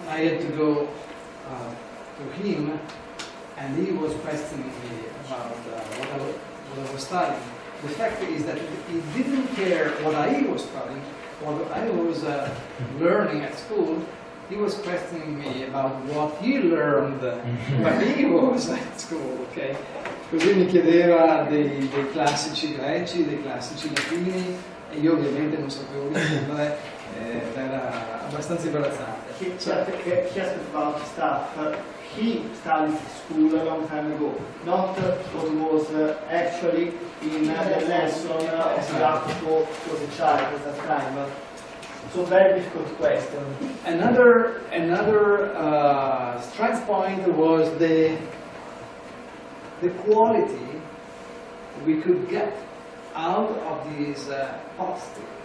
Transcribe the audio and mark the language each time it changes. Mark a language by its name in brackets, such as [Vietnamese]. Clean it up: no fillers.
[English] I had to go to him, and he was questioning me about what I was studying. The fact is that he didn't care what I was studying, what I was learning at school. He was questioning me about what he learned when he was at school. Okay. [Italian] Così mi chiedeva dei classici greci, dei classici latini, e io ovviamente non sapevo niente, ma era abbastanza imbarazzante. [English] He asked about stuff. He studied school a long time ago, not what was actually in the lesson of Jacopo for the child at that time. So very difficult question. Another strength point was the quality we could get out of this pot still.